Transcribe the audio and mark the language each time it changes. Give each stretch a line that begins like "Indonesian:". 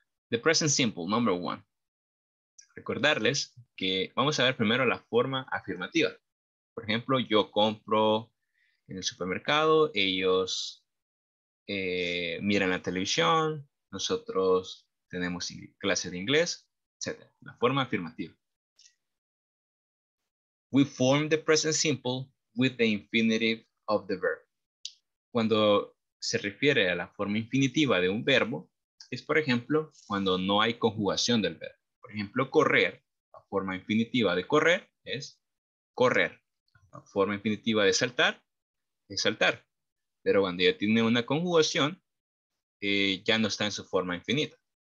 English: The present simple, number one.
Spanish: Recordarles que vamos a ver primero la forma afirmativa. Por ejemplo, yo compro en el supermercado, ellos miran la televisión, nosotros tenemos clases de inglés, etc. La forma afirmativa.
English: We form the present simple with the infinitive of the verb.
Spanish: Cuando se refiere a la forma infinitiva de un verbo, es por ejemplo, cuando no hay conjugación del verbo. Por ejemplo, correr, la forma infinitiva de correr es correr. La forma infinitiva de saltar es saltar. Pero cuando ya tiene una conjugación, ya no está en su forma infinita.